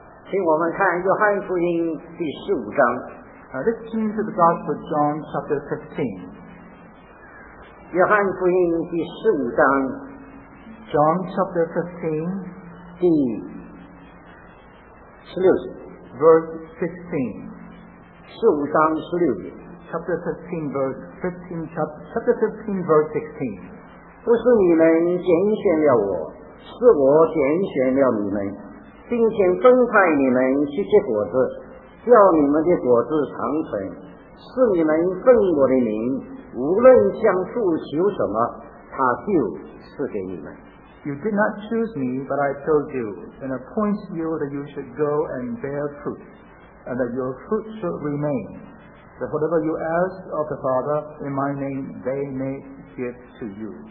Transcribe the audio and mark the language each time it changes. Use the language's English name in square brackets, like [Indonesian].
[Chinese] 请我们看约翰福音第十五章。 [English] Let's turn to the Gospel of John, chapter 15. [Chinese] 约翰福音第十五章。 [English] John chapter 15, [Chinese] 第十六节。 [English] Verse 15. [Chinese] 十五章十六节。 [English] Chapter 15, verse 15. Chapter 15, verse 16. [Chinese] 不是你们拣选了我，是我拣选了你们，并且分派你们去结果子，叫你们的果子长存，是你们奉我的名，无论向父求什么，他就赐给你们。 [English] You did not choose me, but I chose you, and appoint you that you should go and bear fruit, and that your fruit should remain. That whatever you ask of the Father in my name, they may give to you.